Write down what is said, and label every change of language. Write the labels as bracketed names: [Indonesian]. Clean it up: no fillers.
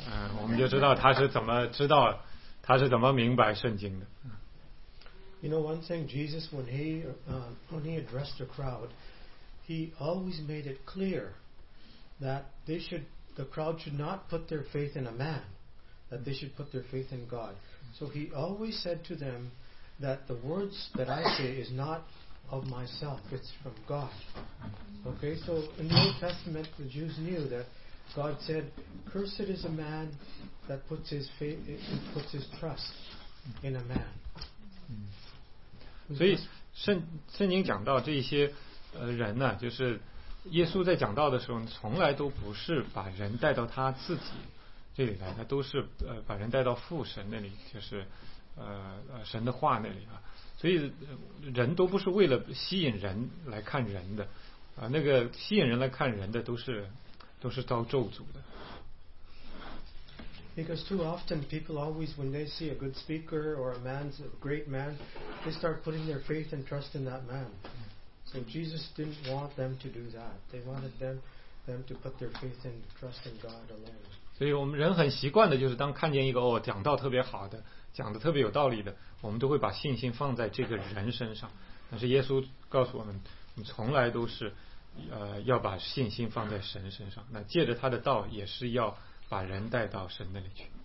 [Chinese] 嗯，我们就知道他是怎么知道，他是怎么明白圣经的。 [English] You know one thing, Jesus, when he addressed the crowd, he always made it clear that the crowd should not put their faith in a man, that they should put their faith in God. So he always said to them that the words that I say is not of myself, it's from God. Okay, so in the Old Testament, the Jews knew that God said, cursed is a man that puts his faith, puts his trust in a man. [Chinese] 所以圣经讲到这些人呢，就是耶稣在讲到的时候从来都不是把人带到他自己这里来，他都是把人带到父神那里，就是神的话那里啊。所以人都不是为了吸引人来看人的啊，那个吸引人来看人的都是遭咒诅的。 [English] Because too often people always, when they see a good speaker or a great man, they start putting their faith and trust in that man. So Jesus didn't want them to do that. They wanted them to put their faith and trust in God alone. [Chinese] 所以我们人很习惯的就是当看见一个哦讲道特别好的，讲的特别有道理的，我们都会把信心放在这个人身上。但是耶稣告诉我们，我们从来都是要把信心放在神身上。那借着他的道也是要。把人带到神那里去。